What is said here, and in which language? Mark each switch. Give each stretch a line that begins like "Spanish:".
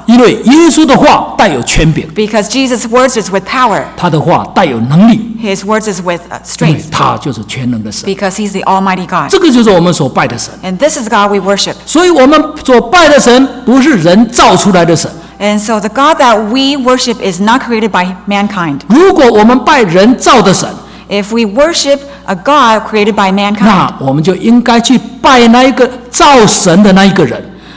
Chinese: 因为耶稣的话带有权柄。
English: Because Jesus' words is with power.
Chinese: 他的话带有能力。
English: His words is with strength.
Chinese: 因为他就是全能的神。
English: Because he's the Almighty God.
Chinese: 这个就是我们所拜的神。
English: And this is God we worship.
Chinese: 所以我们所拜的神不是人造出来的神。
English: And so the God that we worship is not created by mankind.
Chinese: 如果我们拜人造的神。
English: If we worship a God created by mankind,
Chinese: 那我们就应该去拜那一个造神的那一个人。